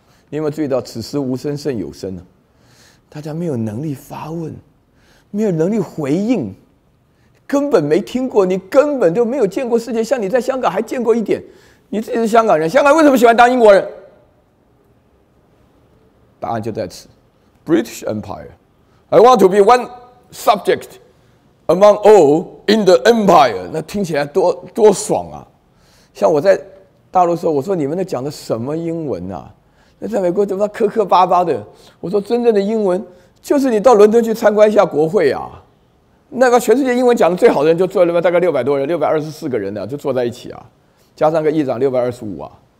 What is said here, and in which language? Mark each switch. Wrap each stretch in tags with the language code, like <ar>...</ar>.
<zh>你有没有注意到，此时无声胜有声呢？大家没有能力发问，没有能力回应，根本没听过，你根本就没有见过世界。像你在香港还见过一点，你自己是香港人，香港为什么喜欢当英国人？答案就在此 ，British Empire.</zh> <en>I want to be one subject among all in the empire.</en> <zh>那听起来多爽啊！像我在大陆的时候，我说你们那讲的什么英文啊？那在美国怎么磕磕巴巴的？我说真正的英文就是你到伦敦去参观一下国会啊，那个全世界英文讲的最好的人就坐在那边，大概600多人，624个人呢，就坐在一起啊，加上个议长625啊。</zh>